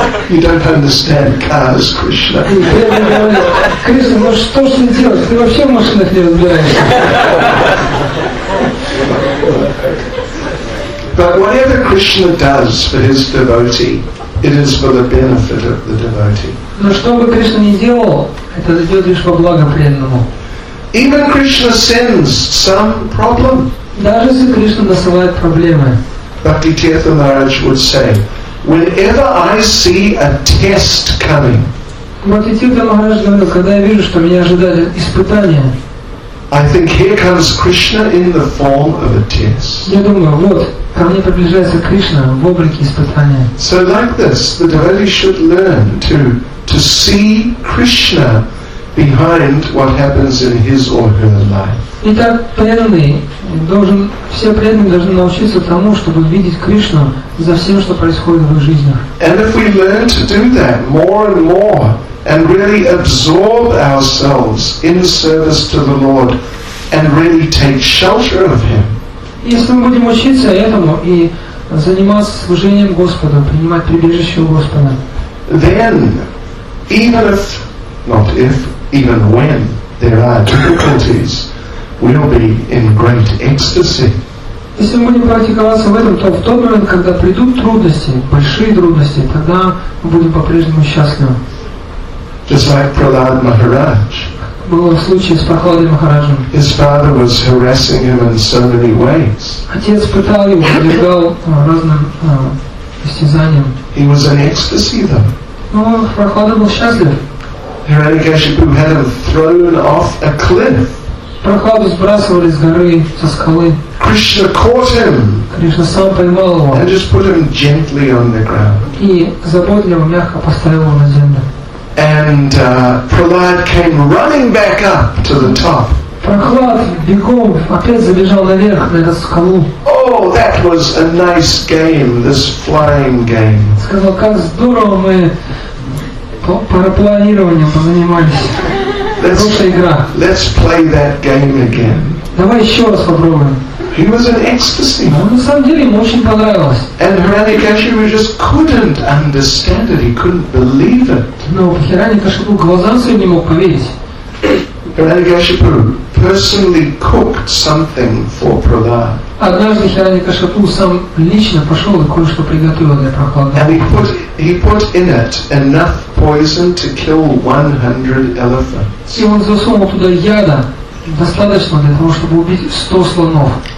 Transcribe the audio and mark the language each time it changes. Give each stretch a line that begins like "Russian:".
English: You don't understand cars, Krishna. But whatever Krishna does for his devotee, it is for the benefit of the devotee.
Russian: Но что бы Кришна ни делал, это идет лишь во благо преданному.
English: Even Krishna sends some problem.
Russian: Даже если Кришна насылает проблемы.
English: Бхакти Тирта Махарадж would say, whenever I see a test coming,
Russian: Бхакти Тирта Махарадж говорил, когда я вижу, что меня ожидали испытания,
English: I think here comes Krishna in the form of a test.
Russian: Я думаю, вот, ко мне приближается Кришна в облике испытания.
English: So like this, the devotee should learn to see Krishna behind what happens in his or her life.
Russian: Итак, преданный должен, все преданные должны научиться тому, чтобы видеть Кришну за всем, что происходит в их жизнях.
English: And if we learn to do that more and more, and really absorb ourselves in service to the Lord, and really take shelter of Him.
Russian: Если мы будем учиться этому и заниматься служением Господу, принимать прибежище у Господа,
English: then, even when there are difficulties, we'll be in great ecstasy.
Russian: Если мы будем практиковаться в этом, то в тот момент, когда придут трудности, большие трудности, тогда мы будем по-прежнему счастливы.
English: Just like Prahlad Maharaj.
Russian: Был случай с Прахладой Махараджем.
English: His father was harassing him in so many ways.
Russian: Отец пытал его, подвергал разным истязаниям.
English: He was in ecstasy though.
Russian: Но Прахлада был счастлив.
English: Hiranyakashipu had him thrown off a cliff.
Russian: Прохладу сбрасывали с горы, со скалы.
English: Krishna caught him.
Russian: Кришна сам поймал его.
English: And just put him gently on the ground.
Russian: И заботливо, мягко поставил его на землю.
English: And Prahlad came running back up to the top.
Russian: Прохлад бегом опять забежал наверх на эту скалу.
English: Oh, that was a nice game, this flying game.
Russian: Сказал, как здорово мы парапланированием позанимались.
English: Let's play that game again.
Russian: Давай еще раз попробуем.
English: He was in ecstasy.
Russian: Но на самом деле ему очень понравилось.
English: And Hiranyakashipu just couldn't understand it. He couldn't believe it.
Russian: Но Hiranyakashipu глазам своим не мог поверить.
English: Hiranyakashipu personally cooked something for Prahlad.
Russian: Однажды Hiranyakashipu сам лично пошел и кое-что приготовил для Прохлады.
English: And he put in it enough poison to kill 100 elephants.
Russian: И он засунул туда яда достаточно для того, чтобы убить 100 слонов.